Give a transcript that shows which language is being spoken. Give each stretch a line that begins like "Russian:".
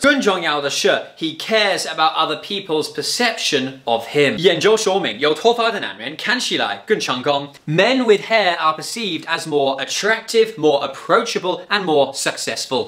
Chinese: 更重要的是,
English: he cares about other people's perception of him.
Chinese: 研究说明，有头发的男人看起来更成功。
English: Men with hair are perceived as more attractive, more approachable, and more successful.